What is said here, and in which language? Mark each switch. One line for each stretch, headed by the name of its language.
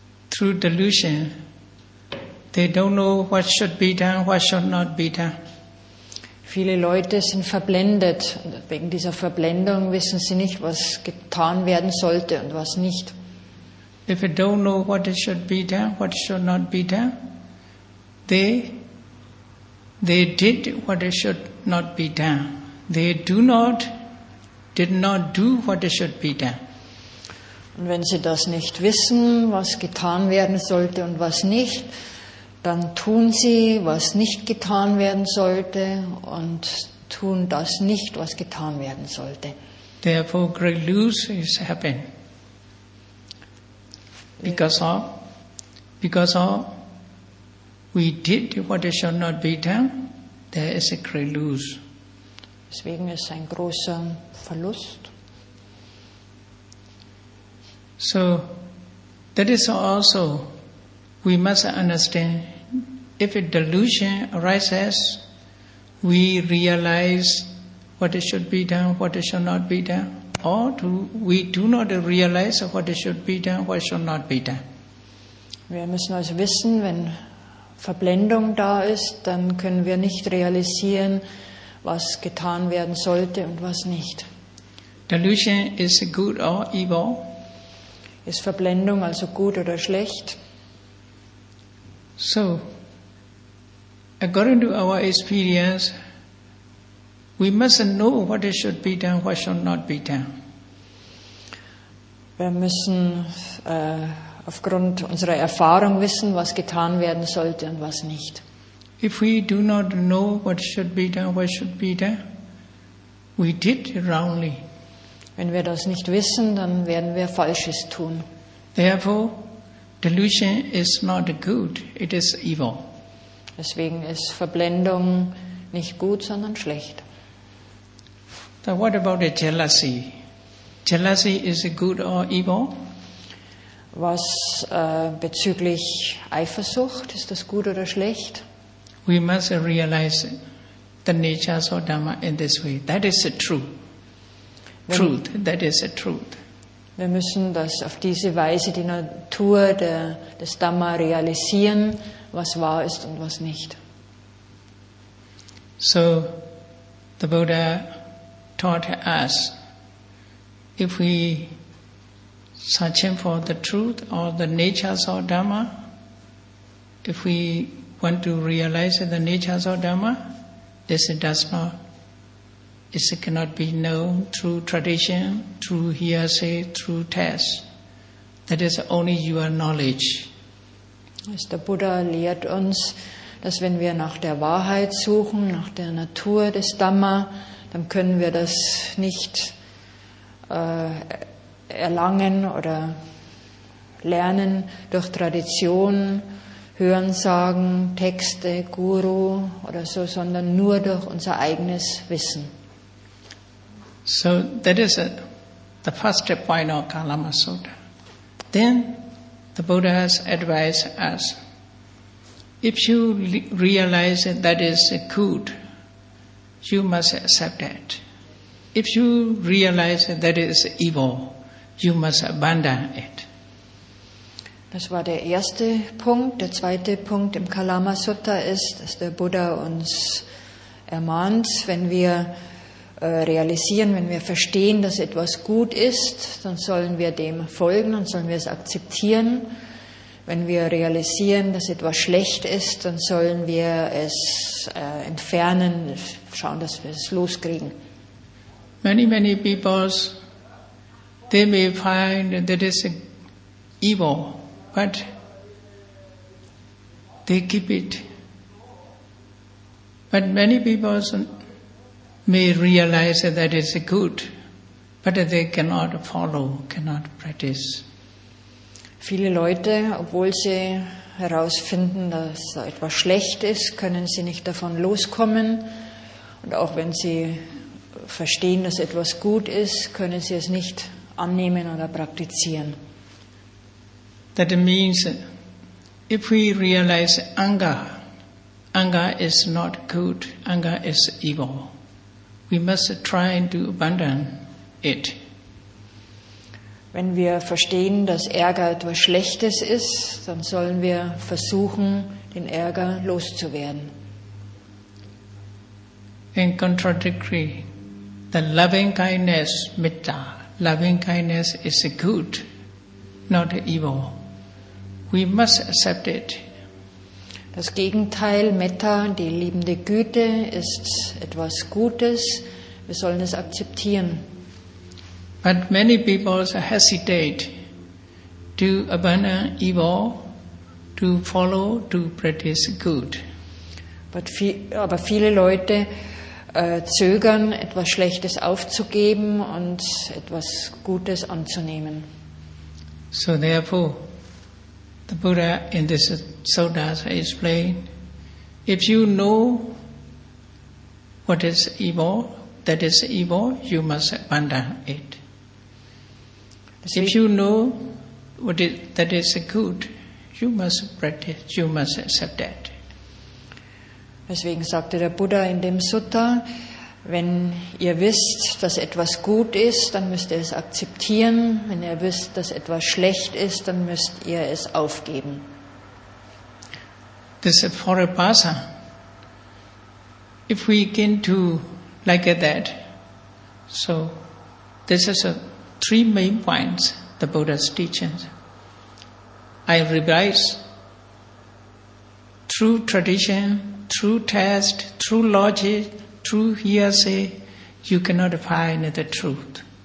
English: Through delusion, they don't know what should be done, what should not be done.
German: Viele Leute sind verblendet. Und wegen dieser Verblendung wissen sie nicht, was getan werden sollte und was nicht.
English: If they don't know what should be done, what should not be done, they did what should not be done. They did not do what should be done.
German: Und wenn sie das nicht wissen, was getan werden sollte und was nicht, dann tun sie, was nicht getan werden sollte und tun das nicht, was getan werden sollte.
English: Therefore, great lose is happening. Because of we did what should not be done, there is a great lose.
German: Deswegen ist ein großer Verlust.
English: So, that is also, we must understand, if a delusion arises, we realize what it should be done, what it should not be done, or do we do not realize what it should be done, what should not be done.
German: Wir müssen also wissen, wenn Verblendung da ist, dann können wir nicht realisieren, was getan werden sollte und was nicht.
English: Delusion is good or evil?
German: Ist Verblendung also gut oder schlecht?
English: So, according to our experience, we must know what should be done, what should not be done.
German: Wir müssen aufgrund unserer Erfahrung wissen, was getan werden sollte und was nicht.
English: If we do not know what should be done, what should be done, we did wrongly.
German: Wenn wir das nicht wissen, dann werden wir Falsches tun.
English: Therefore, delusion is not good, it is evil.
German: Deswegen ist Verblendung nicht gut, sondern schlecht.
English: So what about the jealousy? Jealousy is good or evil?
German: Was bezüglich Eifersucht, ist das gut oder schlecht?
English: We must realize the nature of Dhamma in this way. That is a true truth. That is a truth.
German: Wir müssen das auf diese Weise die Natur des Dhamma realisieren, was wahr ist und was nicht.
English: So, the Buddha taught us, if we searching for the truth or the nature of Dhamma, if we want to realize the nature of Dhamma, this does not, this cannot be known through tradition, through hearsay, through test. That is only your knowledge.
German: Was der Buddha lehrt uns, dass wenn wir nach der Wahrheit suchen, nach der Natur des Dhamma, dann können wir das nicht erlangen oder lernen durch Tradition, Hörensagen, Texte, Guru oder so, sondern nur durch unser eigenes Wissen.
English: So, that is the first point of Kalama Sutta. Then, the Buddha has advised us, if you realize that is good, you must accept it. If you realize that is evil, you must abandon it.
German: Das war der erste Punkt. Der zweite Punkt im Kalama Sutta ist, dass der Buddha uns ermahnt, wenn wir realisieren, wenn wir verstehen, dass etwas gut ist, dann sollen wir dem folgen und sollen wir es akzeptieren. Wenn wir realisieren, dass etwas schlecht ist, dann sollen wir es entfernen, schauen, dass wir es loskriegen.
English: Many, many people, they may find that it is evil, but they keep it. But many people may realize that it's good, but they cannot follow, cannot practice.
German: Viele Leute, obwohl sie herausfinden, dass etwas schlecht ist, können sie nicht davon loskommen. Und auch wenn sie verstehen, dass etwas gut ist, können sie es nicht annehmen oder praktizieren.
English: That means, if we realize anger, anger is not good, anger is evil. We must try to abandon it.
German: Wenn wir verstehen, dass Ärger etwas Schlechtes ist, dann sollen wir versuchen, den Ärger loszuwerden.
English: In contradictory, the loving kindness, metta, loving kindness is good, not evil. We must accept it.
German: Das Gegenteil, Metta, die liebende Güte, ist etwas Gutes. Wir sollen es akzeptieren.
English: But many people hesitate to abandon evil, to follow, to practice good.
German: Aber viele Leute zögern, etwas Schlechtes aufzugeben und etwas Gutes anzunehmen.
English: So therefore, the Buddha in this sutta explained, if you know What is evil, that is evil, you must abandon it. If you know what is, that is good, you must practice, you must accept that.
German: Deswegen sagte der Buddha in dem Sutta, wenn ihr wisst, dass etwas gut ist, dann müsst ihr es akzeptieren. Wenn ihr wisst, dass etwas schlecht ist, dann müsst ihr es aufgeben.
English: This is for a passer. If we begin to like that, so this is a three main points the Buddha's teachings. I revise through tradition, through test, through logic, through hearsay, you cannot find the truth.